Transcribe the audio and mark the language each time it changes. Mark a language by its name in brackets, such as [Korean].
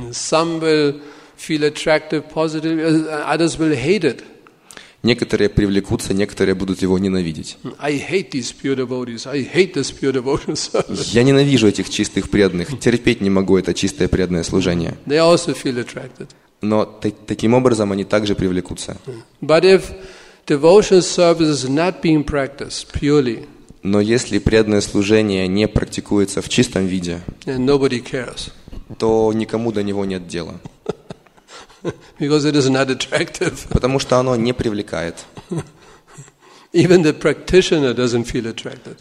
[English] Some will feel attractive positively, others will hate it. [Russian] Некоторые привлекутся, некоторые будут его ненавидеть. [English] I hate these pure devotees. I hate this pure devotional service. [Russian] Я ненавижу этих чистых преданных. Терпеть не могу это чистое преданное служение. [English] They also feel attracted. [Russian] Но таким образом они также привлекутся. [English] But if devotional service is not being practiced purely. [Russian] Но если преданное служение не практикуется в чистом виде, [English] then nobody cares. [Russian] То никому до него нет дела. [English] Because it is not attractive. [Russian] Потому что оно не привлекает. [English] Even the practitioner doesn't feel attracted.